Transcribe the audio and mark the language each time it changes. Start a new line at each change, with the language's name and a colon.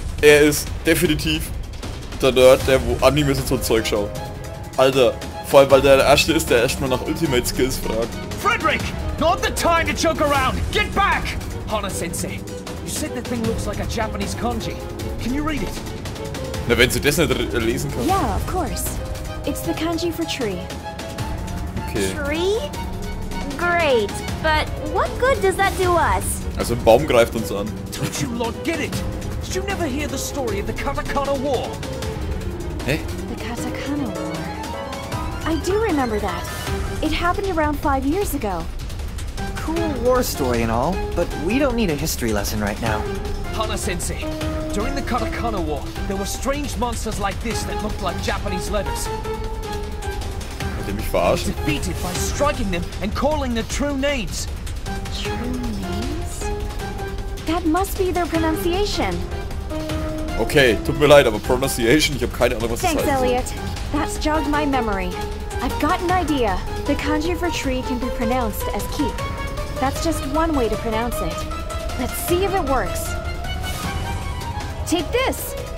German: Er ist definitiv der Nerd, der wo Animes und so Zeug schaut. Alter, vor allem weil der Erste ist, der erstmal nach Ultimate Skills fragt.
English: Frederick! Not the time to joke around! Get back! Hana-sensei! You said the thing looks like a Japanese kanji. Can you read it?
German: Na, wenn sie das nicht lesen kann.
English: Yeah, of course. It's the kanji for tree. Okay. Tree? Great, but what good does that do us?
German: Also, ein Baum greift uns an.
English: Don't you lot get it? Did you never hear the story of the Katakana War? Hey? The Katakana War. I do remember that. It happened around 5 years ago. Cool war story and all, but we don't need a history lesson right now. Hana-sensei, during the Katakana War, there were strange monsters like this that looked like Japanese letters.
German: Hat er mich verarscht?
English: They defeated by striking them and calling their true names. True names? That must be their pronunciation.
German: Okay, tut mir leid, aber pronunciation, ich habe keine Ahnung, was das heißt.
English: Thanks, Elliot. That's jogged my memory. I've got an idea. The kanji for tree can be pronounced as keep. That's just one way to pronounce it. Let's see if it works. Take this!